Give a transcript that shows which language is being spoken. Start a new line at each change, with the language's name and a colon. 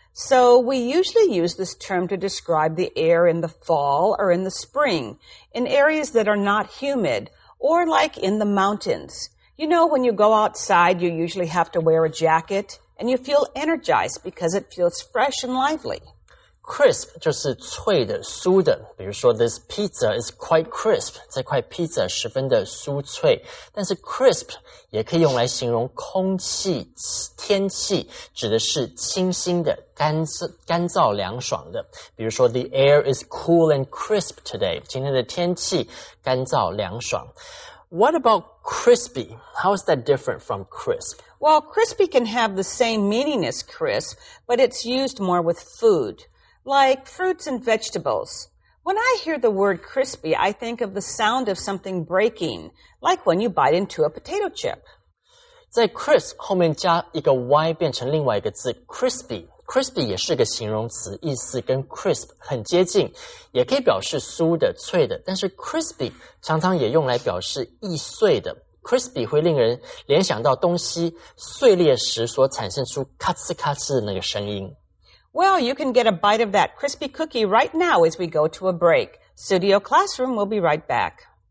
English: So we usually use this term to describe the air in the fall or in the spring, in areas that are not humid, or like in the mountains. You know, when you go outside, you usually have to wear a jacket, and you feel energized because it feels fresh and lively.
Chinese: Crisp 就是脆的、酥的。比如说
English: this pizza is quite crisp,
Chinese: 这块 pizza 十分的酥脆。但是 crisp 也可以用来形容空气、天气，指的是清新的、干燥凉爽的。比如说
English: the air is cool and crisp today,
Chinese: 今天的天气干燥凉爽。
English: What about crispy? How is that different from crisp? Well, crispy can have the same meaning as crisp, but it's used more with food. Like fruits and vegetables. When I hear the word crispy, I think of the sound of something breaking, like when you bite into a potato chip.
Chinese: 在 crisp 后面加一个 y 变成另外一个字 crispy. Crispy 也是个形容词，意思跟 crisp 很接近，也可以表示酥的、脆的。但是 crispy 常常也用来表示易碎的。 Crispy 会令人联想到东西碎裂时所产生出咔哧咔哧的那个声音。
English: Well, you can get a bite of that crispy cookie right now as we go to a break. Studio Classroom will be right back.